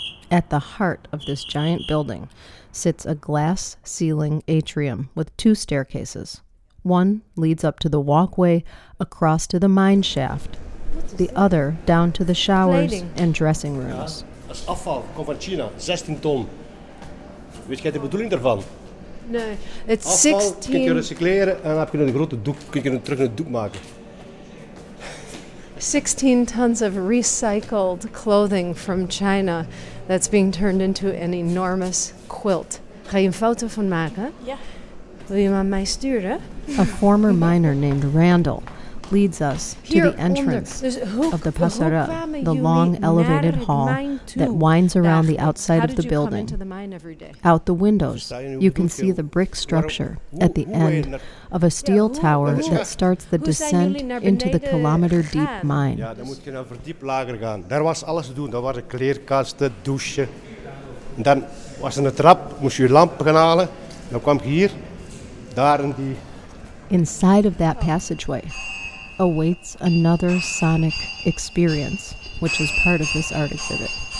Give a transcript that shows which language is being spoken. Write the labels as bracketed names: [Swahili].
[English] At the heart of this giant building sits a glass ceiling atrium with two staircases. One leads up to the walkway across to the mine shaft, the other down to the showers and dressing rooms. [Dutch] Dat is afval, komt van China, 16 ton. Weet jij de bedoeling daarvan? Nee, het is 16... Afval kun je recycleren en dan heb je een grote doek, kun je terug een doek maken. [English] 16 tons of recycled clothing from China that's being turned into an enormous quilt. [Dutch] Ga je een foto van maken? Ja. Wil je hem aan mij sturen? [English] A former miner named Randall leads us to the entrance of the Passera, the long elevated hall that winds around the outside of the building. Out the windows, you can see the brick structure at the end of a steel tower that starts the descent into the kilometer-deep mine. [Dutch] Ja, dan moet je naar verdiep lager gaan. Daar was alles te doen. Daar waren kleerkasten, douchen. Dan was er een trap, moest je lamp gaan halen. Dan kwam je hier, daar in die... [English] Inside of that passageway awaits another sonic experience, which is part of this art exhibit.